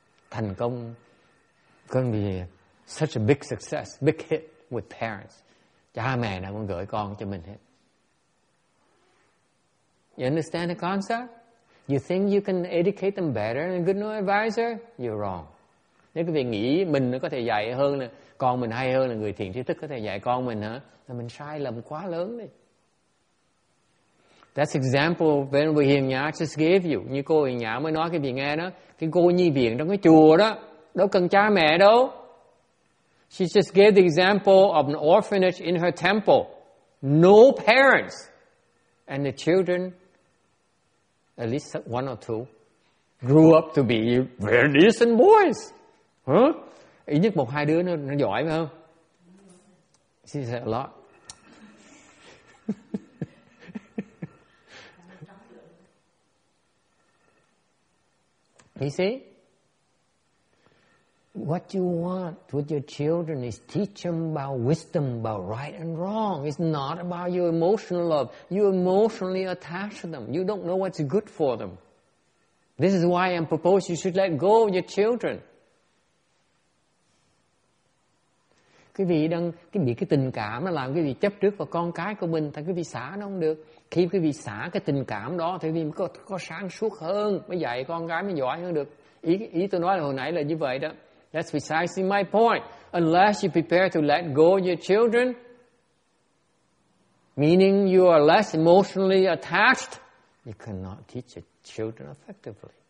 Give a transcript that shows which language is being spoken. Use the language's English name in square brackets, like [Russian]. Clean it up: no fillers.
[Vietnamese] Thành công con vì [English] such a big success, big hit with parents. [Vietnamese] Cha mẹ nào cũng gửi con cho mình hết. [English] You understand the concept? You think you can educate them better than a good new advisor? You're wrong. [Vietnamese] Nếu quý vị nghĩ mình có thể dạy hơn là con mình hay hơn là người thiện trí thức có thể dạy con mình hả? Là mình sai lầm quá lớn đấy. [English] That's example Venerable Hiền Nhã just gave you. [Vietnamese] Như cô Hiền Nhã mới nói cái gì nghe đó. Cái cô nhi viện trong cái chùa đó đâu cần cha mẹ đâu. [English] She just gave the example of an orphanage in her temple. No parents. And the children, at least one or two, grew up to be very decent boys. Huh? [Vietnamese] Ít nhất một hai đứa nó giỏi phải không? [English] She said a lot. You see? What you want with your children is teach them about wisdom, about right and wrong. It's not about your emotional love. You emotionally attach to them. You don't know what's good for them. This is why I'm proposing you should let go of your children. [Vietnamese] Quý vị đang bị cái tình cảm nó làm quý vị chấp trước vào con cái của mình, thì quý vị xả nó không được. Khi quý vị xả cái tình cảm đó thì quý vị mới có sáng suốt hơn, mới dạy con cái mới giỏi hơn được. Ý tôi nói là hồi nãy là như vậy đó. [English] That's precisely my point. Unless you prepare to let go of your children, meaning you are less emotionally attached, you cannot teach your children effectively.